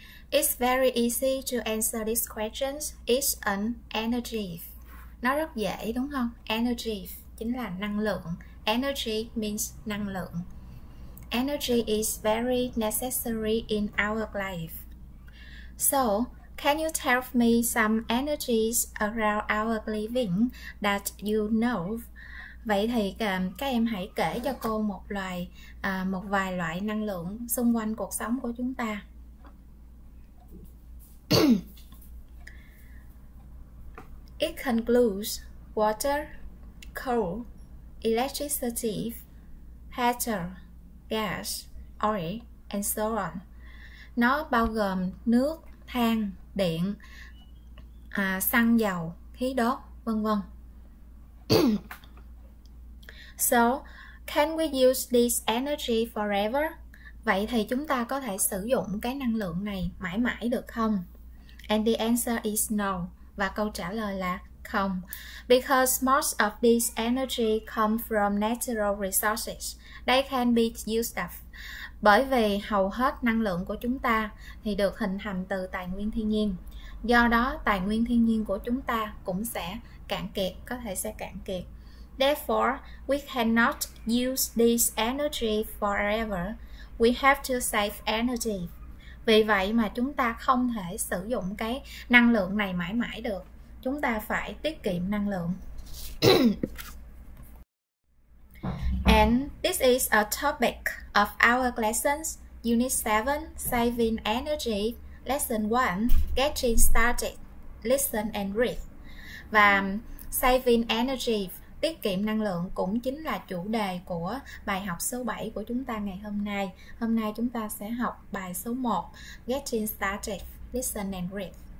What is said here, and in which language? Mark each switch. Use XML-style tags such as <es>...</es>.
<en>It's very easy to answer these questions. It's an energy.</en> <vi>Nó rất dễ đúng không? Energy chính là năng lượng.</vi> <en>Energy means</en> <vi>năng lượng.</vi> <en>Energy is very necessary in our life. So, can you tell me some energies around our living that you know?</en> <vi>Vậy thì các em hãy kể cho cô một vài loại năng lượng xung quanh cuộc sống của chúng ta.</vi> <en>It includes water, coal, electricity, petrol, gas, oil, and so on.</en> <vi>Nó bao gồm nước, than, điện, xăng dầu, khí đốt, vân vân.</vi> <en>So, can we use this energy forever?</en> <vi>Vậy thì chúng ta có thể sử dụng cái năng lượng này mãi mãi được không?</vi> <en>And the answer is no.</en> <vi>Và câu trả lời là không.</vi> <en>Because most of this energy comes from natural resources. They can be used up.</en> <vi>Bởi vì hầu hết năng lượng của chúng ta thì được hình thành từ tài nguyên thiên nhiên. Do đó, tài nguyên thiên nhiên của chúng ta cũng sẽ cạn kiệt, có thể sẽ cạn kiệt.</vi> <en>Therefore, we cannot use this energy forever. We have to save energy.</en> <vi>Vì vậy mà chúng ta không thể sử dụng cái năng lượng này mãi mãi được. Chúng ta phải tiết kiệm năng lượng.</vi> <en>And this is a topic of our lessons, Unit 7, Saving Energy, Lesson 1, Getting Started, Listen and Read.</en> <vi>Và Saving Energy, tiết kiệm năng lượng cũng chính là chủ đề của bài học số 7 của chúng ta ngày hôm nay. Hôm nay chúng ta sẽ học bài số 1, Getting Started, Listen and Read.</vi>